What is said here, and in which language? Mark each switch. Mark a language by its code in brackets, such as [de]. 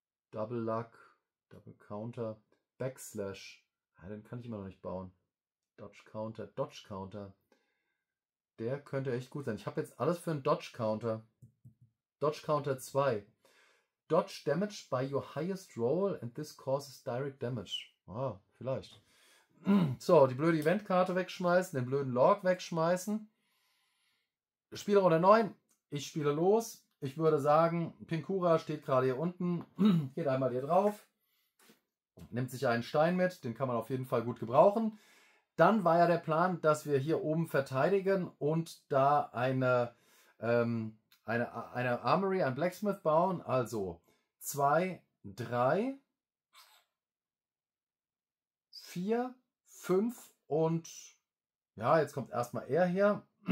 [en] Double-Luck. Double-Counter. Backslash. [de] Ja, den kann ich immer noch nicht bauen. Dodge-Counter. Dodge-Counter. Der könnte echt gut sein. Ich habe jetzt alles für einen Dodge-Counter. [en] Dodge Counter 2. Dodge damage by your highest roll and this causes direct damage. [de] Ah, vielleicht. So, die blöde Eventkarte wegschmeißen, den blöden Lorg wegschmeißen. Spielrunde 9. Ich spiele los. Ich würde sagen, Pinkura steht gerade hier unten. Geht einmal hier drauf. Nimmt sich einen Stein mit. Den kann man auf jeden Fall gut gebrauchen. Dann war ja der Plan, dass wir hier oben verteidigen und da eine Armory, ein Blacksmith bauen, also 2, 3, 4, 5 und ja, jetzt kommt erstmal er her.